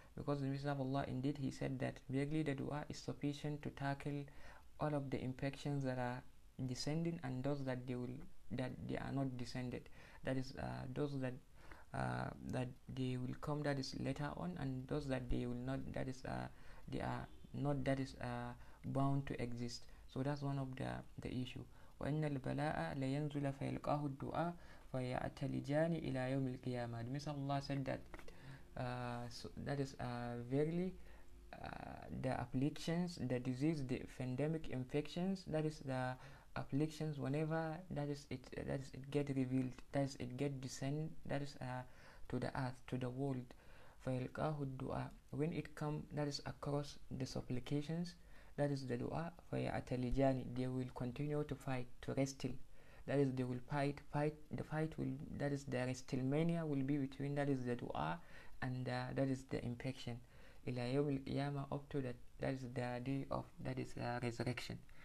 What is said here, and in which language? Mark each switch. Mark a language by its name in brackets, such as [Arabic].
[English] Because the Messenger of Allah indeed, he said that merely the dua is sufficient to tackle all of the infections that are descending and those that they are not descended. That is those that that they will come, that is later on, and those that they will not, that is they are not, that is bound to exist. So that's one of the issue. [Arabic] وإن البلاء لينزل فيلقاه الدعاء فيعتلجان إلى يوم القيامة. [English] The Messenger of Allah said that verily the afflictions, the disease, the pandemic infections, that is the afflictions, whenever it gets descended to the earth, to the world, [Arabic] فَيَلْقَاهُ الدُّعَى, [English] when it come, that is across the supplications, that is the dua, [Arabic] فَيَعْتَلِجَانِ, [English] they will continue to fight, to wrestle, that is they will fight, the fight will, that is the wrestlemania will be between, that is the dua, and that is the infection, [Arabic] إِلَى يَوْمِ الْقِيَامَةِ, [English] up to that, that is the day of, that is the resurrection.